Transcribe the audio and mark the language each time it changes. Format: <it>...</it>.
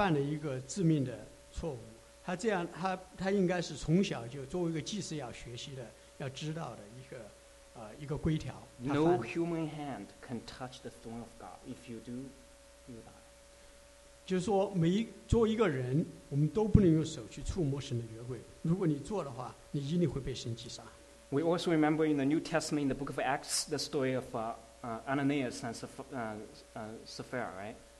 <zh>因为乌撒他犯了一个致命的错误, 他这样, 他应该是从小就作为一个祭司要学习的要知道的一个 一个规条,</zh> <en>no human hand can touch the throne of God. If you do, you die.</en> <zh>就是说每一个人, 我们都不能用手去触摸神的约柜, 如果你做的话, 你一定会被神击杀。</zh> <en>We also remember in the New Testament, in the book of Acts, the story of Ananias and Sapphira, right?</en>